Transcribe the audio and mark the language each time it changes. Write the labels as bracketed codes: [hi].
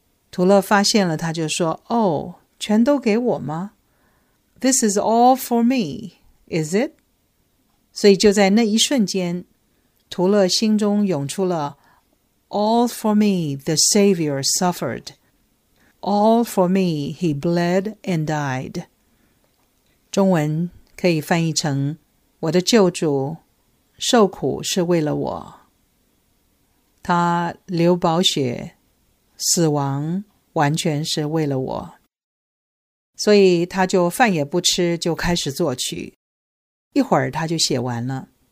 [zh] 图勒发现了，他就说，哦，全都给我吗？ [en] This is all for me, is it? [zh] 所以就在那一瞬间，图勒心中涌出了 [en] All for me the Savior suffered. All for me he bled and died. [zh] 中文可以翻译成，我的救主受苦是为了我。他流宝血，死亡完全是为了我。所以他就饭也不吃，就开始作曲。一会儿他就写完了。